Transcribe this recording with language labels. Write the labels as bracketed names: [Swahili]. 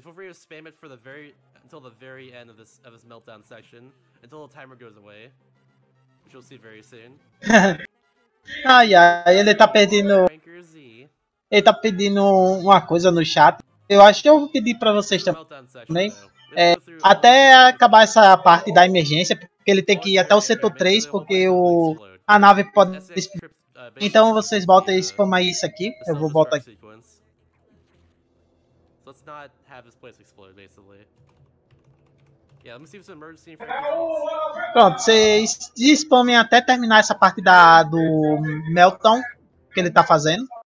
[English] players spam it for the very until the very end of this meltdown session, until the timer goes away, which we'll see very soon. [Portuguese] Ai, ai, ele tá pedindo. Ele tá pedindo uma coisa no chat. Eu acho que eu vou pedir pra vocês também. É, até acabar essa parte da emergência, porque ele tem que ir até o setor 3, porque a nave pode. Então vocês botam e spam aí isso aqui. Eu vou botar aqui. [English] Let's not have this place explode, basically. Yeah, let me see if some emergency [Portuguese] pronto, vocês spamem até terminar essa parte do Melton que ele tá fazendo.